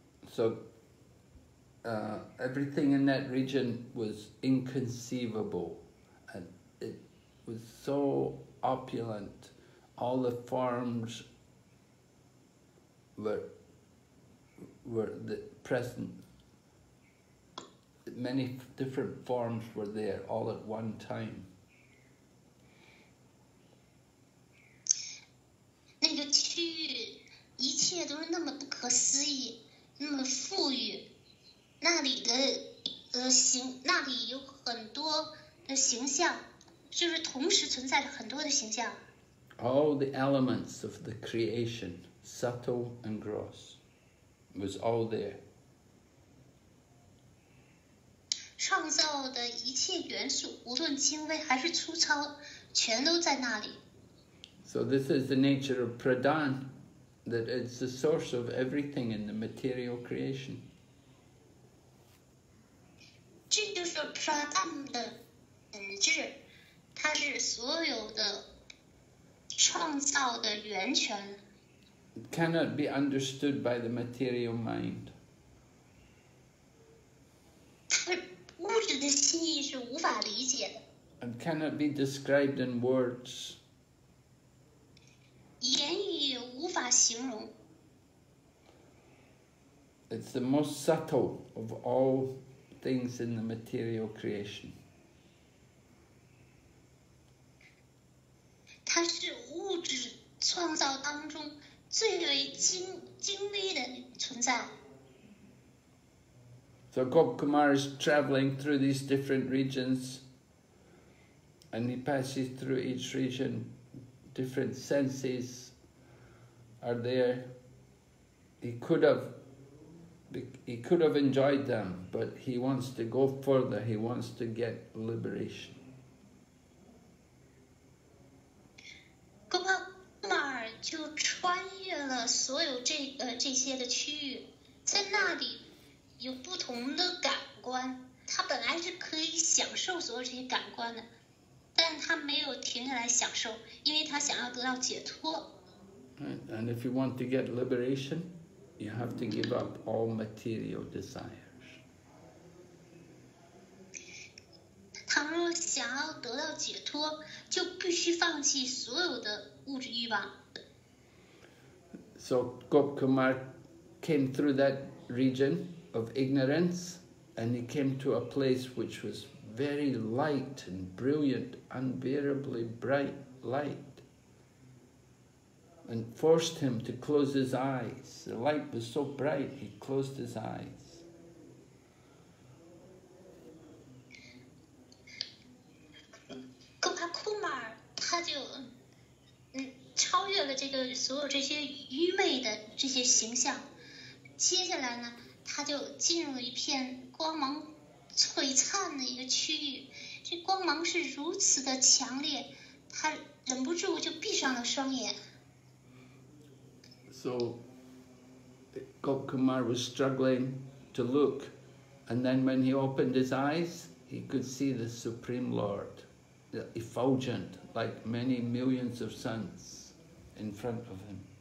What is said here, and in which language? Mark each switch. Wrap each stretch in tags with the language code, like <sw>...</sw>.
<en>So, everything in that region was inconceivable, and it was so opulent. All the forms were the present. Many different forms were there all at one time.</en> <zh>那个区域，一切都是那么不可思议。那么富裕，那里的形，那里有很多的形象，就是同时存在着很多的形象。</zh> <en>All the elements of the creation, subtle and gross, was all there.</en> <zh>创造的一切元素，无论精微还是粗糙，全都在那里。</zh> <en>So this is the nature of pradan. That it's the source of everything in the material creation. This is</en> <zh>pradam 的本质，它是所有的创造的源泉。</zh> <en>It cannot be understood by the material mind.</en> <zh>物质的心意是无法理解的。</zh> <en>It cannot be described in words.</en> <zh>言语无法形容。</zh> <en>It's the most subtle of all things in the material creation.</en> <zh>它是物质创造当中最为精微的存在。</zh> <en>So Gop Kumar is traveling through these different regions, and he passes through each region. Different senses are there. He could have enjoyed them, but he wants to go further. He wants to get liberation.</en> <zh>Gopakumar 就穿越了所有这些的区域，在那里有不同的感官。他本来是可以享受所有这些感官的。但他没有停下来享受，因为他想要得到解脱。</zh> <en>And if you want to get liberation, you have to give up all material desires.</en> <zh>倘若想要得到解脱，就必须放弃所有的物质欲望。</zh> <en>So Gop Kumar came through that region of ignorance, and he came to a place which was. Very light and brilliant, unbearably bright light, and forced him to close his eyes. The light was so bright, he closed his eyes.</en> <zh>Gopal Kumar, 他就超越了这个所有这些愚昧的这些形象。接下来呢，他就进入一片光芒。璀璨的一个区域，这光芒是如此的强烈，他忍不住就闭上了双眼。</zh> <en>So, Gop Kumar was struggling to look, and then when he opened his eyes, he could see the Supreme Lord, effulgent like many millions of suns, in front of him.</en>